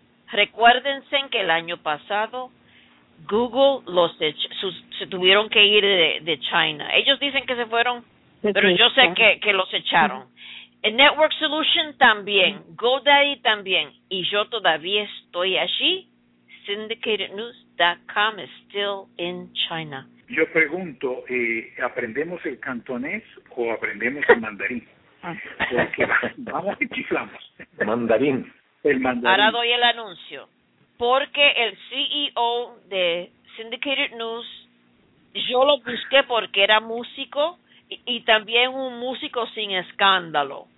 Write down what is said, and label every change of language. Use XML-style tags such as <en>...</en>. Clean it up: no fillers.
<es>Recuérdense que el año pasado Google se tuvieron que ir de China. Ellos dicen que se fueron, pero yo sé que los echaron. El Network Solution también, GoDaddy también, y yo todavía estoy allí.</es> <en>SyndicatedNews.com is still in China.</en> <es>Yo pregunto, ¿aprendemos el cantonés o aprendemos el mandarín? Porque vamos y chiflamos. Mandarín. El mandarín. Ahora doy el anuncio. Porque el CEO de Syndicated News, yo lo busqué porque era músico y también un músico sin escándalo.</es>